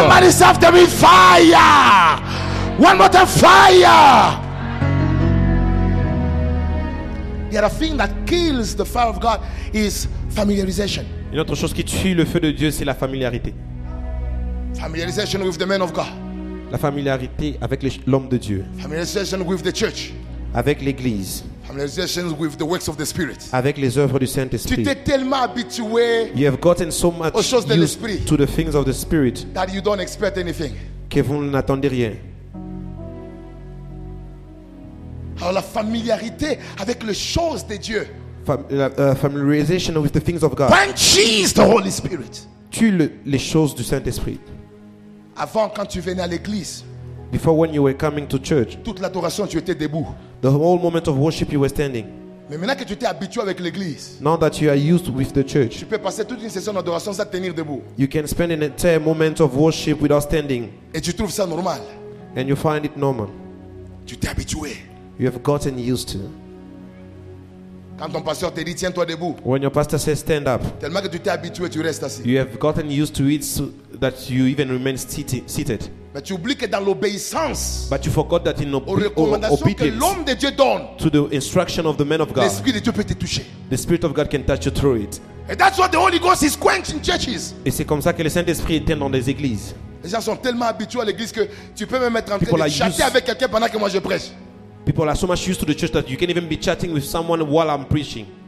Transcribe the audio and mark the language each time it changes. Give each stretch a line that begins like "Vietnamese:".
English: Somebody say after me, fire. One more time, fire. The other thing that kills the fire of God is familiarization.
French: Une autre chose qui tue le feu de Dieu, c'est la familiarité.
English: Familiarization with the man of God.
French: La familiarité avec l'homme de Dieu.
English: Familiarization with the church.
French: Avec l'église.
English: Familiarization with the works of the Spirit.
French: Avec les œuvres du Saint-Esprit. Tu t'es tellement habitué.
English: You have gotten so much used to the things of the Spirit. That you don't expect anything.
French: Que vous n'attendez rien. Alors la familiarité avec les choses de Dieu.
English: Familiarization with the things of God. Quenches the Holy Spirit.
French: Tue les choses du Saint-Esprit. Avant quand tu venais à l'église.
English: Before when you were coming to church.
French: Toute l'adoration tu étais debout.
English: The whole moment of worship you were standing.
French: Mais maintenant que tu t'es habitué avec l'église.
English: Now that you are used with the church.
French: Tu peux passer toute une session d'adoration sans tenir debout.
English: You can spend an entire moment of worship without standing.
French: Et tu trouves ça normal.
English: And you find it normal.
French: Tu t'es habitué.
English: You have gotten used to.
French: Quand ton pasteur te dit tiens-toi debout.
English: When your pastor says stand up.
French: Tellement que tu t'es habitué, tu restes assis.
English: You have gotten used to it so that you even remain seated.
French: Mais tu oublies que dans l'obéissance.
English: But you forgot that in obedience.
French: Que l'homme de Dieu donne.
English: To the instruction of the man of God.
French: L'esprit de Dieu peut te toucher.
English: The Spirit of God can touch you through it. And that's what the Holy Ghost is quenching churches.
French: Et c'est comme ça que le Saint-Esprit éteint dans les églises. Les gens sont tellement habitués à l'église que tu peux même être en train de chatter avec quelqu'un pendant que moi je prêche.
English: People are so much used to the church that you can even be chatting with someone while I'm preaching.